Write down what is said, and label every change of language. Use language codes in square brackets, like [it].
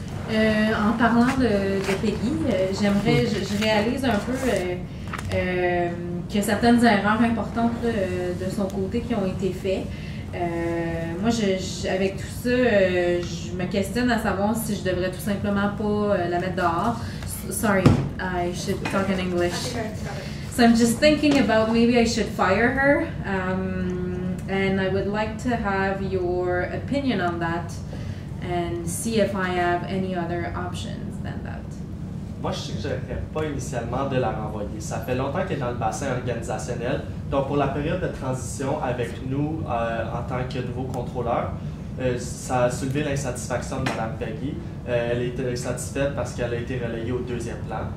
[fr] En parlant de Peggy, je réalise un peu que certaines erreurs importantes de son côté qui ont été faites. Moi, avec tout ça, je me questionne à savoir si je devrais tout simplement pas la mettre dehors. [en] Sorry, I should talk in English. So I'm just thinking about maybe I should fire her. And I would like to have your opinion on that and see if I have any other options than that. [fr] Moi, je suggérerais pas initialement de la renvoyer. Ça fait longtemps qu'elle est dans le bassin organisationnel. Donc, pour la période de transition avec nous en tant que nouveau contrôleur, ça a soulevé l'insatisfaction de Mme Peggy. Elle est insatisfaite parce qu'elle a été relayée au deuxième plan.